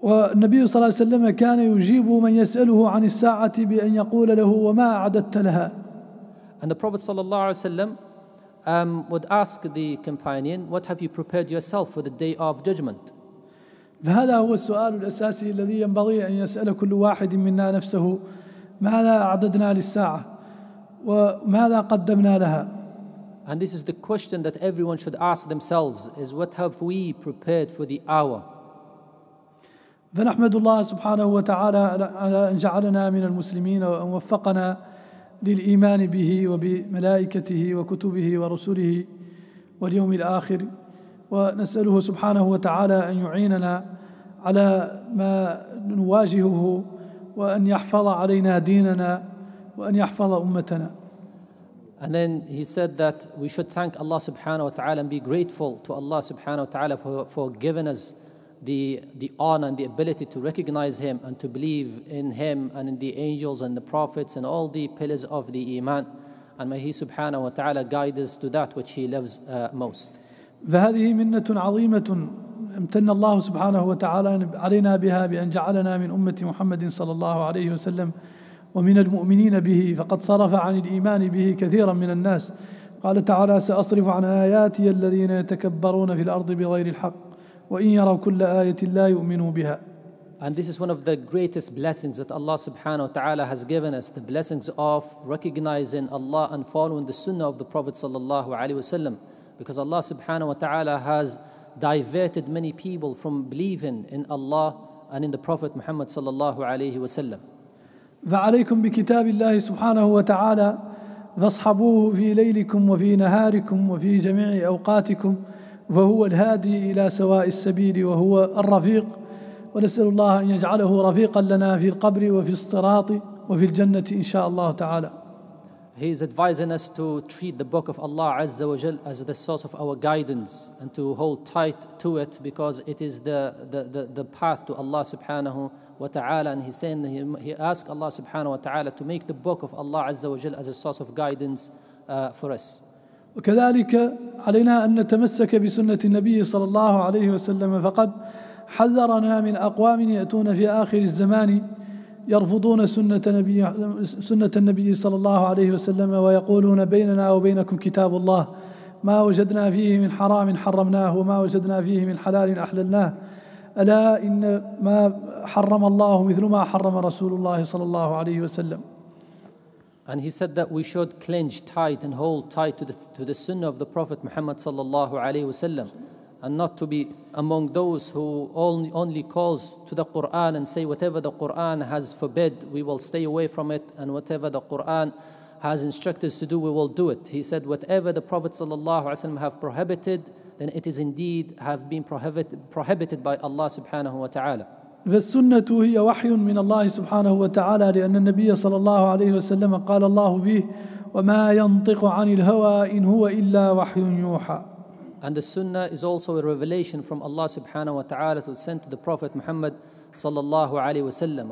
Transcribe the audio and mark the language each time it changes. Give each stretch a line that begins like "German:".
Arabic: والنبي صلى الله عليه وسلم كان يجيب من يسأله عن الساعة بأن يقول له وما أعددت لها.
English: And the Prophet
Arabic: صلى الله عليه وسلم
English: would ask the companion, what have you prepared yourself for the day of judgment?
Arabic: هذا هو السؤال الأساسي الذي ينبغي أن يسأل كل واحد منا نفسه، ماذا أعددنا للساعة وماذا قدمنا لها؟
English: And this is the question that everyone should ask themselves, is what have we prepared for the hour?
Arabic: فنحمد الله سبحانه وتعالى على أن جعلنا من المسلمين وأن وفقنا للإيمان به وبملائكته وكتبه ورسله واليوم الآخر، ونسأله سبحانه وتعالى أن يعيننا على ما نواجهه وأن يحفظ علينا ديننا وأن يحفظ أمتنا.
English: And then he said that we should thank Allah subhanahu wa ta'ala and be grateful to Allah subhanahu wa ta'ala for giving us the honor and the ability to recognize him and to believe in him and in the angels and the prophets and all the pillars of the iman. And may he subhanahu wa ta'ala guide us to that which he loves most.
Arabic: فهذه منة عظيمة امتن الله سبحانه وتعالى علينا بها بأن جعلنا من أمة محمد صلى الله عليه وسلم ومن المؤمنين به، فقد صرف عن الإيمان به كثيرا من الناس. قال تعالى سأصرف عن آياتي الذين يتكبرون في الأرض بغير الحق وإن يروا كل آية لا يؤمنوا بها.
English: And this is one of the greatest blessings that Allah subhanahu wa ta'ala has given us, the blessings of recognizing Allah and following the sunnah of the Prophet sallallahu alayhi wa sallam, because Allah subhanahu wa ta'ala has diverted many people from believing in Allah and in the Prophet Muhammad sallallahu alayhi wa sallam.
Arabic: فعليكم بكتاب الله سبحانه وتعالى فاصحبوه في ليلكم وفي نهاركم وفي جميع أوقاتكم، فهو الهادي إلى سواء السبيل وهو الرفيق، ونسأل الله أن يجعله رفيقا لنا في القبر وفي الصراط وفي الجنة إن شاء الله تعالى.
English: He is advising us to treat the book of Allah Azza wa Jal as the source of our guidance and to hold tight to it, because it is the path to Allah subhanahu wa ta'ala. And he's saying he asked Allah subhanahu wa ta'ala to make the book of Allah Azza wa Jal as a source of guidance for us.
Arabic: وكذلك علينا أن نتمسك بسنة النبي صلى الله عليه وسلم، فقد حذرنا من أقوام يأتون في آخر الزمان يرفضون سنة النبي صلى الله عليه وسلم ويقولون بيننا وبينكم كتاب الله، ما وجدنا فيه من حرام حرمناه وما وجدنا فيه من حلال أحللناه، ألا إن ما حرم الله مثل ما حرم رسول الله صلى الله عليه وسلم.
English: And he said that we should clench tight and hold tight to the sunnah of the Prophet Muhammad
Arabic: صلى الله عليه وسلم,
English: and not to be among those who only calls to the Quran and say whatever the Quran has forbid, we will stay away from it, and whatever the Quran has instructed us to do, we will do it. He said, whatever the Prophet
Arabic: صلى الله عليه وسلم
English: have prohibited, then it is indeed have been prohibited by Allah subhanahu wa ta'ala.
Arabic: فالسنة هي وحي من الله سبحانه وتعالى، لأن النبي صلى الله عليه وسلم قال الله فيه وما ينطق عن الهوى إن هو إلا وحي يوحى.
English: And the sunnah is also a revelation from Allah subhanahu wa ta'ala to send to the Prophet Muhammad sallallahu alayhi wa sallam.